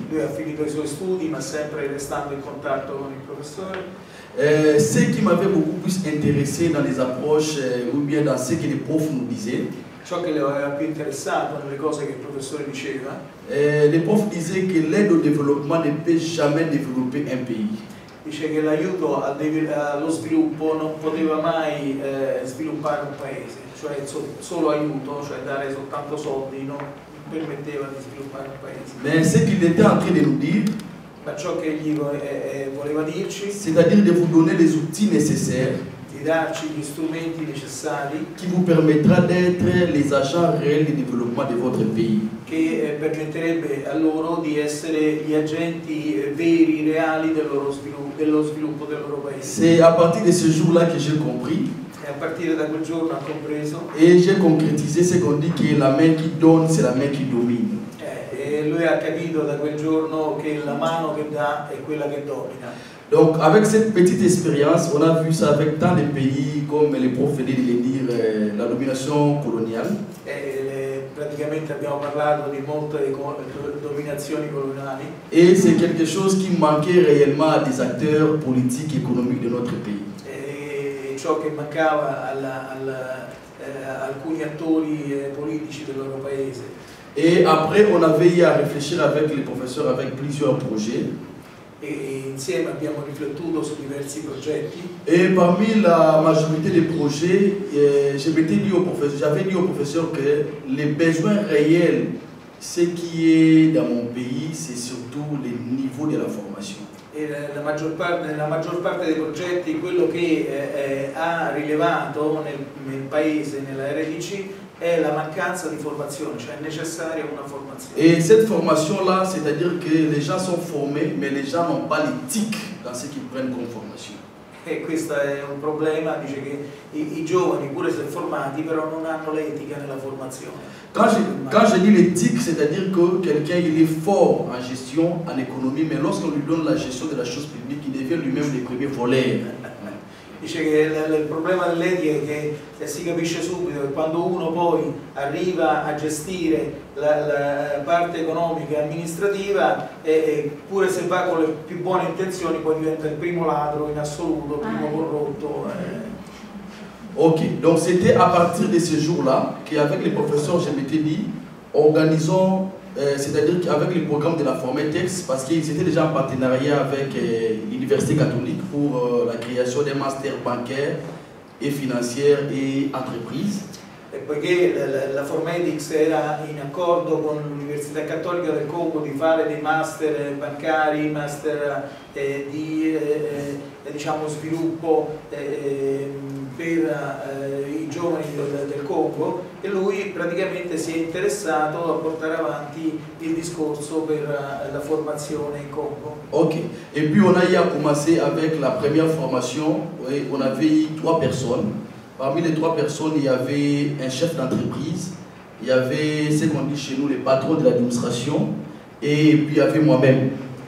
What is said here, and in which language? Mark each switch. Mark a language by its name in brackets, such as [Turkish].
[Italian] Lui a fini i suoi studi, ma sempre restando in contatto con il professore. [French] Ce qui m'avait beaucoup plus intéressé dans les approches, ou bien dans ce que les profs nous disaient, [Italian] ciò che le aveva più interessato nelle cose che il professore diceva. [French] Le prof disait que l'aide au développement ne peut jamais développer un pays. [Italian] Dice che l'aiuto allo sviluppo non poteva mai sviluppare un paese, cioè solo aiuto, cioè dare soltanto soldi, non permetteva di sviluppare un paese. [French] Mais ce qu'il était en train de nous dire, [Italian] ma ciò che gli voleva dirci, [French] c'est-à-dire de vous donner les outils nécessaires. [Italian] Di darci gli strumenti necessari [French] qui vous permettra d'être les agents réels di développement de votre pays, [Italian] che permetterebbe a loro di essere gli agenti veri, reali del loro sviluppo, dello sviluppo del loro paese. [French] C'est à partir de ce jour-là que j'ai compris. [Italian] E a partire da quel giorno ho compreso. [French] Et j'ai concrétisé ce qu'on dit, che la main qui donne c'est la main qui domine. [Italian] E lui ha capito da quel giorno che la mano che dà è quella che domina. [French] Donc avec cette petite expérience, on a vu ça avec tant de pays comme les profs venaient de le dire, la domination coloniale. [Italian] Praticamente abbiamo parlato di molte dominazioni coloniali. [French] Et c'est quelque chose qui manquait réellement à des acteurs politiques et économiques de notre pays. [Italian] Et ciò che mancava a alcuni attori politici del loro paese. [French] Et après on a veillé à réfléchir avec les professeurs avec plusieurs projets. [Italian] E insieme abbiamo riflettuto su diversi progetti. [French] E parmi [Italian] la maggiorità dei progetti, [French] j'avais dit au professeur che le besoin réel, ce qui est dans mon pays, c'est surtout le niveau de la formation. [Italian] E la maggior parte dei progetti, quello che ha rilevato nel paese, nella RDC, è la mancanza di formazione, cioè è necessaria una formazione. [French] Et cette formation là, c'est-à-dire que les gens sont formés, mais les gens n'ont pas l'éthique dans ce qu'ils prennent comme formation. [Italian] E questo è un problema, dice che i giovani, pure se formati, però non hanno l'etica nella formazione. [French] Quand je dis l'éthique, c'est-à-dire que quelqu'un il est fort en gestion, en économie, mais lorsqu'on lui donne la gestion de la chose publique, il devient lui-même le premier voleur. [Italian] Dice che il problema dell'etica è che si capisce subito che quando uno poi arriva a gestire la parte economica e amministrativa, pure se va con le più buone intenzioni, poi diventa il primo ladro in assoluto, il primo corrotto. [French] Ok, donc c'était à partir de ce jour-là che avec les professeurs, je m'étais dit, organisons, c'est-à-dire qu'avec le programme de la Formatex, parce qu'ils étaient déjà en partenariat avec l'Université catholique pour la création des masters bancaires et financiers et entreprises. [Italian] E poiché la Formatex era in accordo con l'Università Cattolica del Congo di fare dei master bancari, master di diciamo sviluppo per i giovani del Congo, e lui praticamente si è interessato a portare avanti il discorso per la formazione in Congo. [French] Ok, e poi on a commencé avec la première formation, on avait 3 personnes. Parmi les 3 personnes, il y avait un chef d'entreprise, il y avait ce qu'on dit chez nous les patrons de l'administration et puis il y avait moi-même.